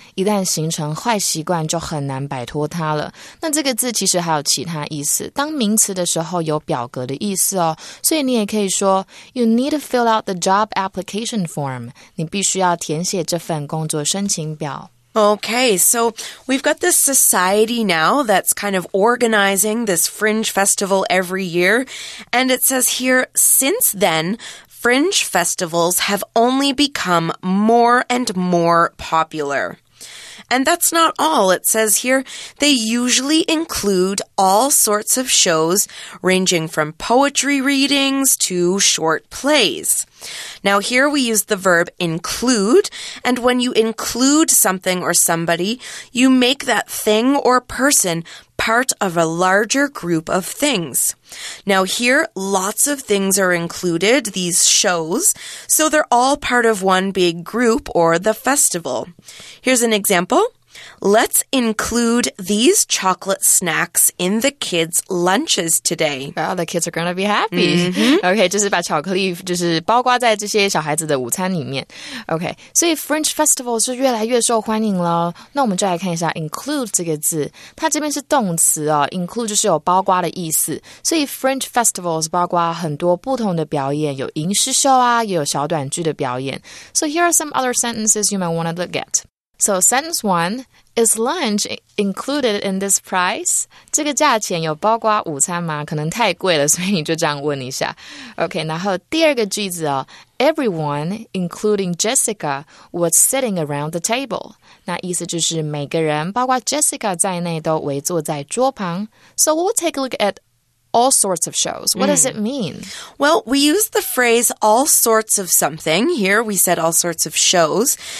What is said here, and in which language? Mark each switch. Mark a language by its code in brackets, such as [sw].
[zh] 一旦形成坏习惯就很难摆脱它了。那这个字其实还有其他意思。当名词的时候有表格的意思哦。所以你也可以说 [en] you need to fill out the job application form. [zh] 你必须要填写这份工作申请表。 [en] Okay, so we've got this society now that's kind of organizing this fringe festival every year. And it says here, since then, fringe festivals have only become more and more popular. And that's not all. It says here, they usually include all sorts of shows, ranging from poetry readings to short plays. Now, here we use the verb include, and when you include something or somebody, you make that thing or person part of a larger group of things. Now, here, lots of things are included, these shows, so they're all part of one big group or the festival. Here's an example. Let's include these chocolate snacks in the kids' lunches today. Well, the kids are going to be happy. Mm-hmm. [zh] Okay, 就是把巧克力就是包括在这些小孩子的午餐里面。 Okay, 所以 French Festival 是越来越受欢迎了。那我们就来看一下 include 这个字。它这边是动词哦， include 就是有包括的意思。所以 French Festival 是包括很多不同的表演，有吟诗秀啊，也有小短剧的表演。 [en] So here are some other sentences you might want to look at. So sentence one, is lunch included in this price? [zh] 这个价钱有包括午餐吗？可能太贵了，所以你就这样问一下。 [en] Okay, [zh] 然后第二个句子哦， [en] everyone, including Jessica, was sitting around the table. [zh] 那意思就是每个人，包括 Jessica 在内都围坐在桌旁。 [en] So we'll take a look at all sorts of shows. What does it mean? Well, we use the phrase all sorts of something. Here we said all sorts of shows.